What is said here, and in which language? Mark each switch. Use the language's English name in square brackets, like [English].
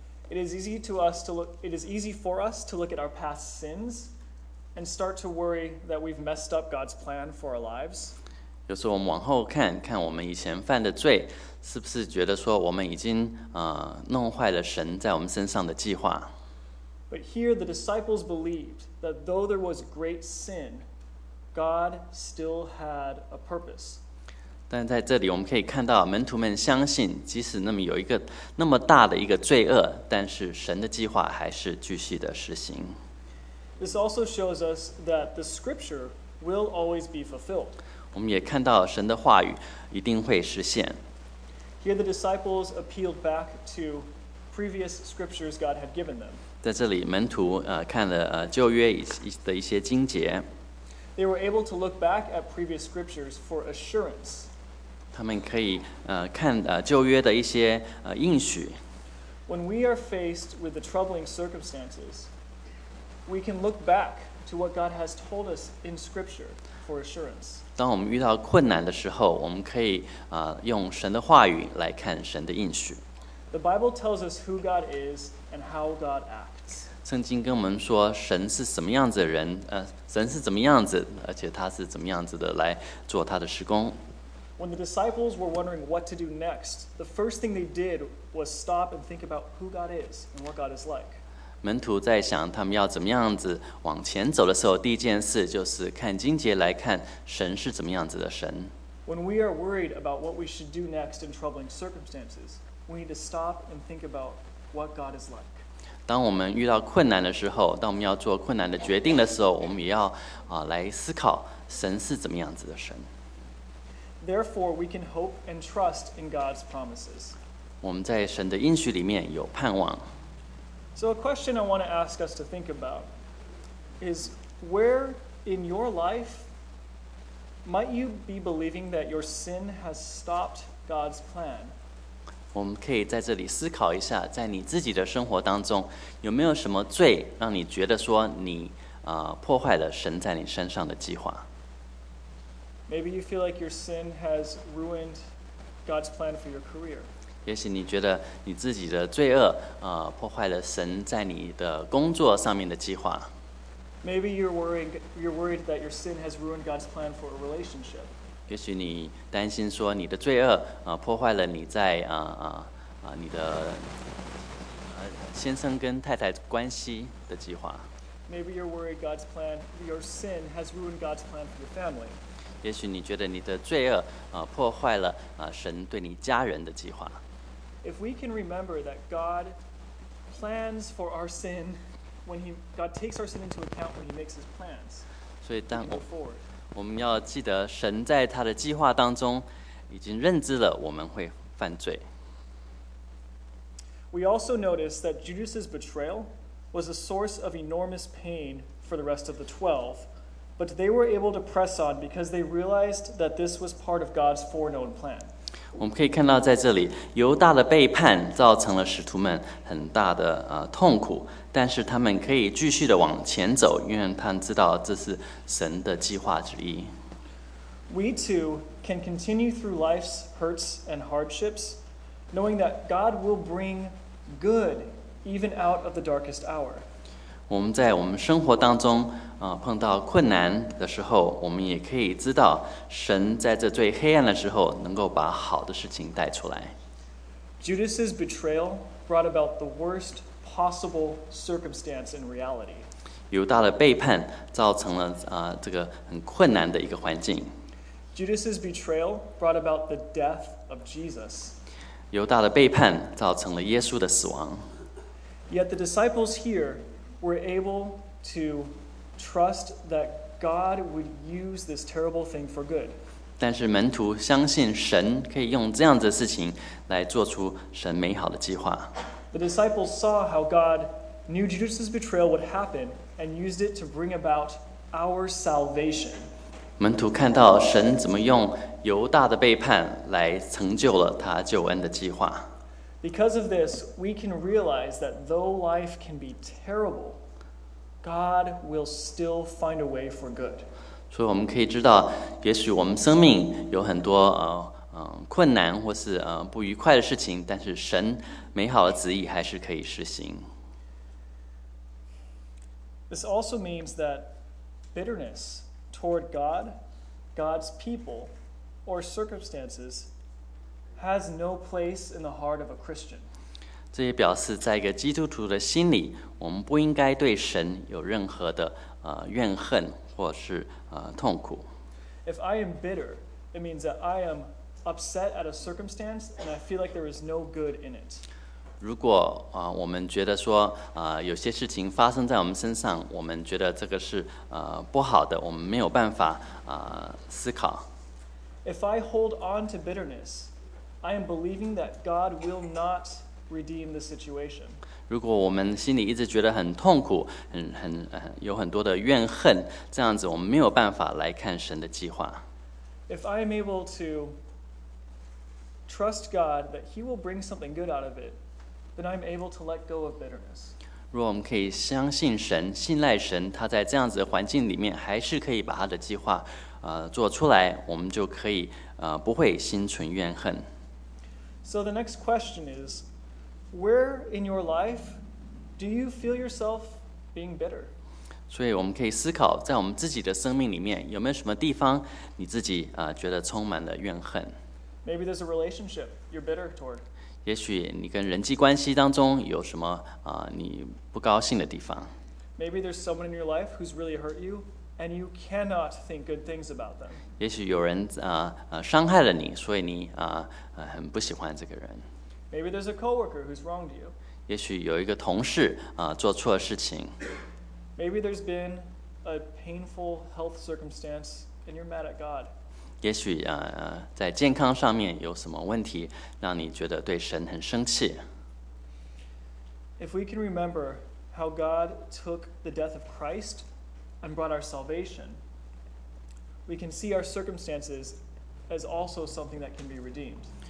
[English] It is easy for us to look at our past sins and start to worry that we've messed up God's plan for our lives. [Chinese] 有时候我们往后看看我们以前犯的罪，是不是觉得说我们已经弄坏了神在我们身上的计划？ [English] But here the disciples believed that though there was great sin, God still had a purpose. [Chinese] 但在这里我们可以看到门徒们相信，即使那么有一个那么大的一个罪恶，但是神的计划还是继续的实行。 [English] This also shows us that the scripture will always be fulfilled. [Chinese] 我们也看到神的话语一定会实现。 [English] Here the disciples appealed back to previous scriptures God had given them. [Chinese] 在这里，门徒看了旧约的一些经节。 [English] They were able to look back at previous scriptures for assurance. [Chinese] 他们可以看旧约的一些应许。 [English] When we are faced with the troubling circumstances, we can look back to what God has told us in Scripture for assurance. [Chinese] 当我们遇到困难的时候，我们可以用神的话语来看神的应许。 [English] The Bible tells us who God is and how God acts. [Chinese] 圣经跟我们说神是什么样子的人，神是怎么样子，而且他是怎么样子的来做他的事工。 [English] When the disciples were wondering what to do next, the first thing they did was stop and think about who God is and what God is like. [Chinese] 门徒在想他们要怎么样子往前走的时候，第一件事就是看经节来看神是怎么样子的神。 [English] When we are worried about what we should do next in troubling circumstances, we need to stop and think about what God is like. [Chinese] 当我们遇到困难的时候，当我们要做困难的决定的时候，我们也要来思考神是怎么样子的神。 [English] Therefore, we can hope and trust in God's promises. [Chinese] 我们在神的应许里面有盼望。 [English] So a question I want to ask us to think about is where in your life might you be believing that your sin has stopped God's plan? [Chinese] 我们可以在这里思考一下，在你自己的生活当中，有没有什么罪让你觉得说你破坏了神在你身上的计划？ [English] Maybe you feel like your sin has ruined God's plan for your career. [Chinese] 也许你觉得你自己的罪恶破坏了神在你的工作上面的计划。 [English] Maybe you're worried that your sin has ruined God's plan for a relationship. [Chinese] 也许你担心说你的罪恶破坏了你在你的先生跟太太关系的计划。 [English] Maybe you're worried your sin has ruined God's plan for your family. [Chinese] 也许你觉得你的罪恶破坏了神对你家人的计划。 [English] If we can remember that God plans for our sin, God takes our sin into account when He makes His plans. [Chinese] 所以当我们要记得，神在他的计划当中已经认知了我们会犯罪。 [English] We also notice that Judas's betrayal was a source of enormous pain for the rest of the 12. But they were able to press on because they realized that this was part of God's foreknown plan. [Chinese] 我们可以看到在这里，犹大的背叛造成了使徒们很大的痛苦，但是他们可以继续的往前走，因为他们知道这是神的计划之一。 [English] We too can continue through life's hurts and hardships, knowing that God will bring good even out of the darkest hour. [Chinese] 我们在我们生活当中碰到困难的时候，我们也可以知道神在这最黑暗的时候能够把好的事情带出来。 [English] Judas's betrayal brought about the worst possible circumstance in reality. [Chinese] 犹大的背叛造成了这个很困难的一个环境。 [English] Judas's betrayal brought about the death of Jesus. [Chinese] 犹大的背叛造成了耶稣的死亡。 [English] Yet the disciples hereWe're able to trust that God would use this terrible thing for good. [Chinese] 但是门徒相信神可以用这样子的事情来做出神美好的计划。 [English] The disciples saw how God knew Judas's betrayal would happen and used it to bring about our salvation. [Chinese] 门徒看到神怎么用犹大的背叛来成就了他救恩的计划。 [English] Because of this, we can realize that though life can be terrible, God will still find a way for good. [Chinese] 所以我们可以知道，也许我们生命有很多困难或是不愉快的事情，但是神美好的旨意还是可以实行。 [English] This also means that bitterness toward God, God's people, or circumstances. Has no place in the heart of a Christian. [Chinese] 这也表示在一个基督徒的心里，我们不应该对神有任何的怨恨或是痛苦。 [English] If I am bitter, it means that I am upset at a circumstance and I feel like there is no good in it. [Chinese] 如果我们觉得说有些事情发生在我们身上，我们觉得这个是不好的，我们没有办法思考。 [English] If I hold on to bitterness. I am believing that God will not redeem the situation. [Chinese] 如果我们心里一直觉得很痛苦，有很多的怨恨，这样子我们没有办法来看神的计划。 [English] If I am able to trust God that He will bring something good out of it, then I'm able to let go of bitterness. [Chinese] 如果我们可以相信神，信赖神，他在这样子的环境里面还是可以把他的计划，做出来，我们就可以，不会心存怨恨。 [English] So the next question is, where in your life do you feel yourself being bitter? [Chinese] 所以我们可以思考，在我们自己的生命里面，有没有什么地方你自己，觉得充满了怨恨？ [English] Maybe there's a relationship you're bitter toward. [Chinese] 也许你跟人际关系当中有什么，你不高兴的地方。 [English] Maybe there's someone in your life who's really hurt you, and you cannot think good things about them. [Chinese] 也许有人，伤害了你，所以你，很不喜欢这个人。 [English] Maybe there's a coworker who's wronged you. [Chinese] 也许有一个同事，做错了事情。 [English] Maybe there's been a painful health circumstance and you're mad at God. [Chinese] 也许，在健康上面有什么问题，让你觉得对神很生气。 [English] If we can remember how God took the death of Christ and brought our salvation, we can see our circumstances as also something that can be redeemed.